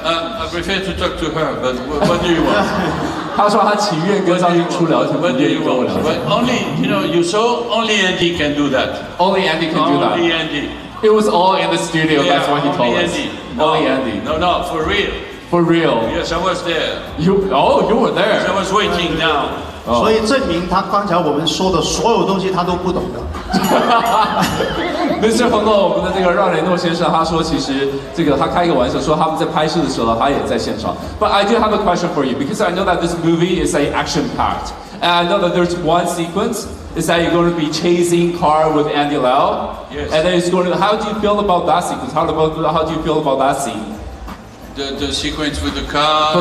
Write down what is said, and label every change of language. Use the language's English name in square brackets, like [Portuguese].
[English] I prefer to talk to her, but what do you want? [Chinese] 他说他情愿跟张英初聊天，不愿意跟我聊天。 [English] Only, you know, you saw only Andy can do that. Only Andy can do that. Only Andy. It was all in the studio, yeah, that's what he told us. Only Andy. No, for real. For real. Yes, I was there. You were there. I was waiting now. [Chinese] 所以证明他刚才我们说的所有东西他都不懂的。 [English] Mr. [Chinese] Hanold， 我们的这个让雷诺先生，他说其实这个他开一个玩笑说他们在拍摄的时候他也在现场。 [English] But I do have a question for you because I know that this movie is an action part and I know that there's one sequence is that you're going to be chasing car with Andy Lau. Yes. And then it's going to. How do you feel about that sequence? How do you feel about that scene? The sequence with the car.